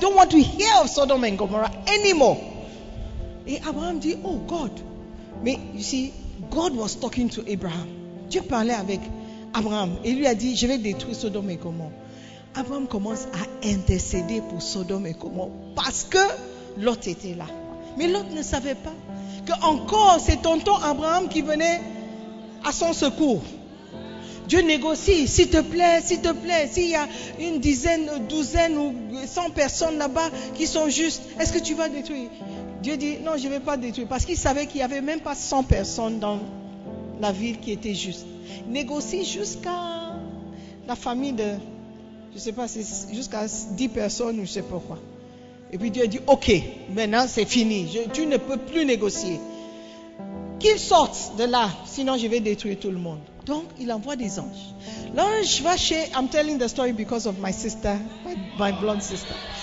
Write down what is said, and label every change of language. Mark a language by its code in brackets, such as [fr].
[en] I don't want to hear of Sodome and Gomorrah anymore. [fr] Et Abraham dit, [en] oh God. Mais you see, God was talking to Abraham. [fr] Dieu parlait avec Abraham et lui a dit, je vais détruire Sodome et Gomorrah. Abraham commence à intercéder pour Sodome et Gomorrah parce que Lot était là. Mais Lot ne savait pas que encore c'est tonton Abraham qui venait à son secours. Dieu négocie, s'il te plaît, s'il y a une dizaine, douzaine ou 100 personnes là-bas qui sont justes, est-ce que tu vas détruire? Dieu dit, non, je ne vais pas détruire, parce qu'il savait qu'il n'y avait même pas 100 personnes dans la ville qui étaient justes. Négocie jusqu'à la famille de, je ne sais pas, c'est jusqu'à 10 personnes ou je ne sais pas quoi. Et puis Dieu dit, ok, maintenant c'est fini, tu ne peux plus négocier. Qu'ils sortent de là, sinon je vais détruire tout le monde. Donc, il envoie des anges. L'ange va chez... [en] I'm telling the story because of my sister, my blonde sister.